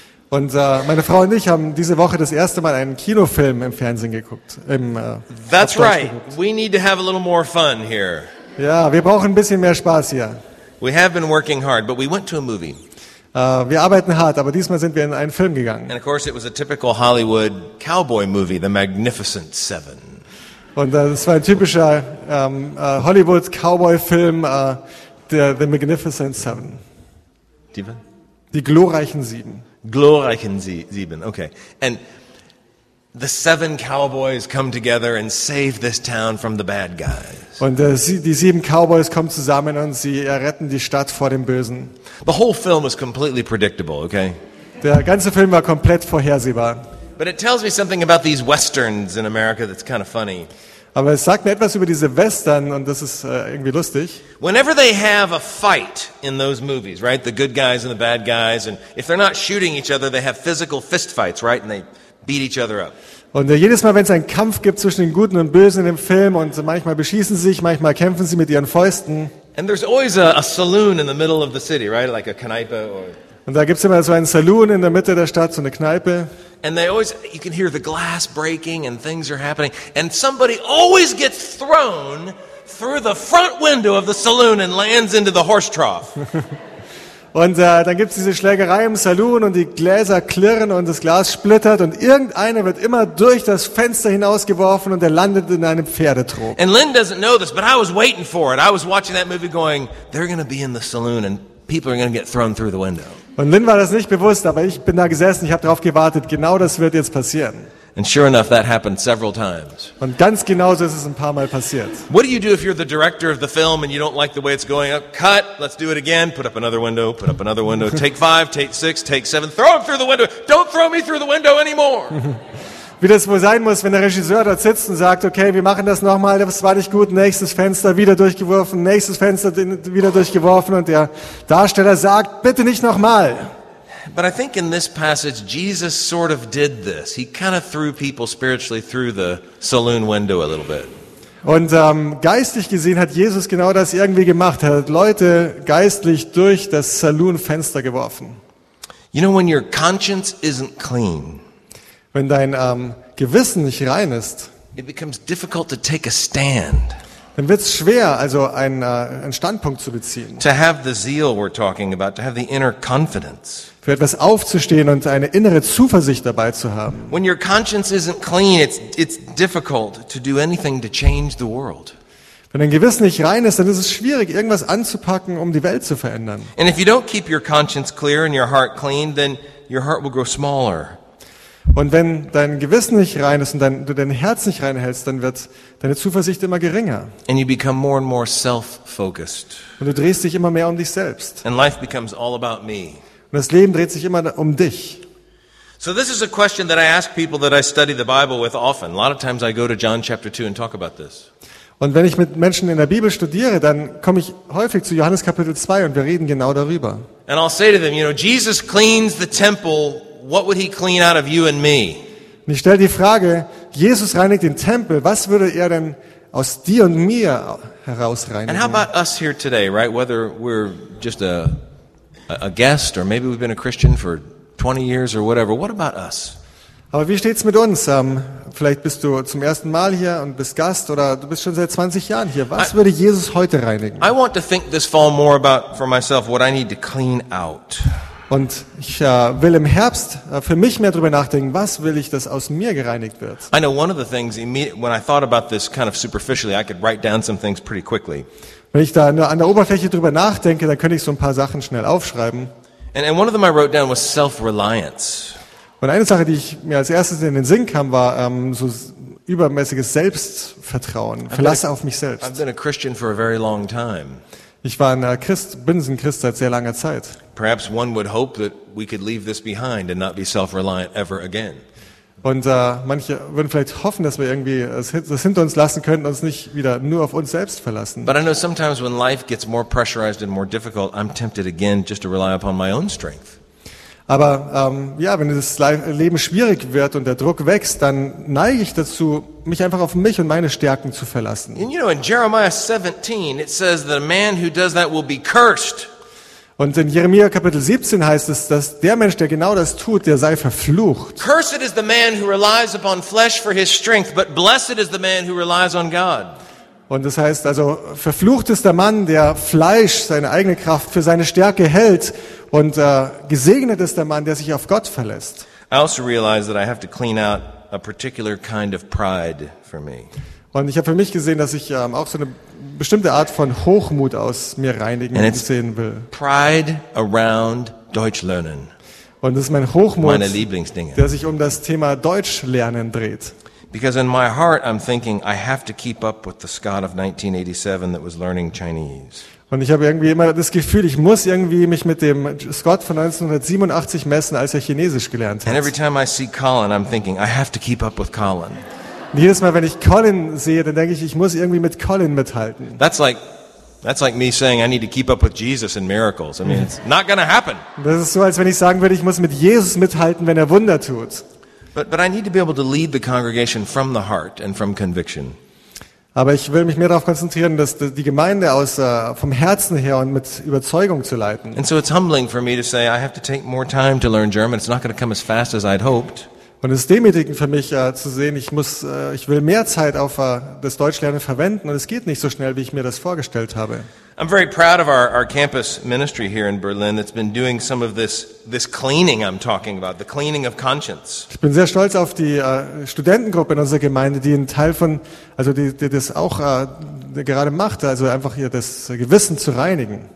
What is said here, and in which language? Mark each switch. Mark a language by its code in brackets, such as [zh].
[de] Und meine Frau und ich haben diese Woche das erste Mal einen Kinofilm im Fernsehen geguckt. [en] That's right. We need to have a little more fun here. [de] Ja, wir brauchen ein bisschen mehr Spaß hier. [en] We have been working hard, but we went to a movie. [de] Wir arbeiten hart, aber diesmal sind wir in einen Film gegangen. [en] And of course it was a typical Hollywood cowboy movie, The Magnificent Seven. [de] Und das war ein typischer Hollywood Cowboy Film, The Magnificent Seven. Die glorreichen Sieben. Glorreichen Sieben, okay. [en] And the seven cowboys come together and save this town from the bad guys. [de] Und die sieben Cowboys kommen zusammen und sie retten die Stadt vor dem Bösen. [en] The whole film is completely predictable, okay? [de] Der ganze Film war komplett vorhersehbar. [en] But it tells me something about these westerns in America that's kind of funny. [de] Aber es sagt mir etwas über diese Western und das ist irgendwie lustig. [en] Whenever they have a fight in those movies, right? The good guys and the bad guys, and if they're not shooting each other, they have physical fist fights, right? And they beat each other up. [de] Und jedes Mal, wenn es einen Kampf gibt zwischen den Guten und Bösen in dem Film, und manchmal beschießen sie sich, manchmal kämpfen sie mit ihren Fäusten. [en] And there's always a saloon in the middle of the city, right? Like a Kneipe or. [de] Und da gibt's immer so einen Saloon in der Mitte der Stadt, so eine Kneipe. [en] And they always, you can hear the glass breaking and things are happening. And somebody always gets thrown through the front window of the saloon and lands into the horse trough. [de] Und dann gibt's diese Schlägerei im Saloon und die Gläser klirren und das Glas splittert und irgendeiner wird immer durch das Fenster hinausgeworfen und er landet in einem Pferdetrog. [en] And Lynn doesn't know this, but I was waiting for it. I was watching that movie going, they're going to be in the saloon and people are going to get thrown through the window. [de] Und Lynn war das nicht bewusst, aber ich bin da gesessen, ich habe darauf gewartet, genau das wird jetzt passieren. [en] And sure enough, that happened several times. [de] Und ganz genauso ist es ein paar Mal passiert. [en] What do you do if you're the director of the film and you don't like the way it's going? Cut, let's do it again, put up another window, take 5, take 6, take 7, throw him through the window, don't throw me through the window anymore. [de] Wie das wohl sein muss, wenn der Regisseur dort sitzt und sagt, okay, wir machen das nochmal, das war nicht gut, nächstes Fenster wieder durchgeworfen, nächstes Fenster wieder durchgeworfen und der Darsteller sagt, bitte nicht nochmal. [en] But I think in this passage Jesus sort of did this. He kind of threw people spiritually through the saloon window a little bit. [de] Und geistig gesehen hat Jesus genau das irgendwie gemacht. Er hat Leute geistlich durch das Saloonfenster geworfen. [en] You know, when your conscience isn't clean, [de] wenn dein Gewissen nicht rein ist, [en] it becomes difficult to take a stand. [de] Dann wird's schwer, also einen Standpunkt zu beziehen. [en] To have the zeal we're talking about, to have the inner confidence. [de] Für etwas aufzustehen und eine innere Zuversicht dabei zu haben. [en] When your conscience isn't clean, it's difficult to do anything to change the world. [de] Wenn dein Gewissen nicht rein ist, dann ist es schwierig, irgendwas anzupacken, um die Welt zu verändern. [en] And if you don't keep your conscience clear and your heart clean, then your heart will grow smaller. [de] Und wenn dein Gewissen nicht rein ist und du dein Herz nicht reinhältst, dann wird deine Zuversicht immer geringer. [en] And you become more and more self-focused. [de] Und du drehst dich immer mehr um dich selbst. [en] And life becomes all about me. [de] Und das Leben dreht sich immer um dich. [en] So this is a question that I ask people that I study the Bible with often. A lot of times I go to John chapter 2 and talk about this. [de] Und wenn ich mit Menschen in der Bibel studiere, dann komme ich häufig zu Johannes Kapitel 2 und wir reden genau darüber. [en] And I'll say to them, you know, Jesus cleans the temple. What would he clean out of you and me? [de] Ich stelle die Frage, Jesus reinigt den Tempel, was würde er denn aus dir und mir herausreinigen? [en] And how about us here today, right? Whether we're just a guest or maybe we've been a Christian for 20 years or whatever, what about us? [de] Aber wie steht's mit uns? Vielleicht bist du zum ersten Mal hier und bist Gast oder du bist schon seit 20 Jahren hier. Was würde Jesus heute reinigen? [en] I want to think this fall more about for myself what I need to clean out. [de] Und ich will im Herbst für mich mehr darüber nachdenken, was will ich, dass aus mir gereinigt wird. [en] I know one of the things, when I thought about this kind of superficially, I could write down some things pretty quickly. [de] Wenn ich da nur an der Oberfläche drüber nachdenke, dann könnte ich so ein paar Sachen schnell aufschreiben. [en] And one of them I wrote down was self-reliance. [de] Und eine Sache, die ich mir als erstes in den Sinn kam, war so übermäßiges Selbstvertrauen. Verlasse auf mich selbst. [en] I've been a Christian for a very long time. [de] Ich war bin ein Christ seit sehr langer Zeit. [en] Perhaps one would hope that we could leave this behind and not be self-reliant ever again. [de] Und manche würden vielleicht hoffen, dass wir irgendwie das hinter uns lassen könnten, uns nicht wieder nur auf uns selbst verlassen. [en] But I know sometimes when life gets more pressurized and more difficult, I'm tempted again just to rely upon my own strength. [de] Aber wenn das Leben schwierig wird und der Druck wächst, dann neige ich dazu, mich einfach auf mich und meine Stärken zu verlassen. [en] And you know, in Jeremiah 17, it says that a man who does that will be cursed. [de] Und in Jeremia Kapitel 17 heißt es, dass der Mensch, der genau das tut, der sei verflucht. [en] Cursed is the man who relies upon flesh for his strength, but blessed is the man who relies on God. [de] Und das heißt also, verflucht ist der Mann, der Fleisch, seine eigene Kraft für seine Stärke hält, und gesegnet ist der Mann, der sich auf Gott verlässt. [en] I also realize that I have to clean out a particular kind of pride for me. [de] Und ich habe für mich gesehen, dass ich auch so eine bestimmte Art von Hochmut aus mir reinigen und sehen will. [en] Pride around [de] Deutsch lernen. Und das ist mein Hochmut, der sich um das Thema Deutsch lernen dreht. [en] Because in my heart I'm thinking I have to keep up with the Scott of 1987 that was learning Chinese. [de] Und ich habe irgendwie immer das Gefühl, ich muss irgendwie mich mit dem Scott von 1987 messen, als er Chinesisch gelernt hat. [en] And every time I see Colin, I'm thinking, I have to keep up with Colin. [de] Und jedes Mal, wenn ich Colin sehe, dann denke ich, ich muss irgendwie mit Colin mithalten. [en] That's like me saying I need to keep up with Jesus in miracles. I mean, it's not going to happen. [de] Das ist so, als wenn ich sagen würde, ich muss mit Jesus mithalten, wenn er Wunder tut. [en] But I need to be able to lead the congregation from the heart and from conviction. [de] Aber ich will mich mehr darauf konzentrieren, dass die Gemeinde aus vom Herzen her und mit Überzeugung zu leiten. [en] And so it's humbling for me to say I have to take more time to learn German. It's not going to come as fast as I'd hoped. [de] Und es ist demütigend für mich zu sehen, ich will mehr Zeit auf das Deutschlernen verwenden und es geht nicht so schnell, wie ich mir das vorgestellt habe. [en] I'm very proud of our campus ministry here in Berlin that's been doing some of this cleaning I'm talking about, the cleaning of conscience. [de] Ich bin sehr stolz auf die Studentengruppe in unserer Gemeinde, die einen Teil von, also die das auch gerade macht, also einfach hier das Gewissen zu reinigen.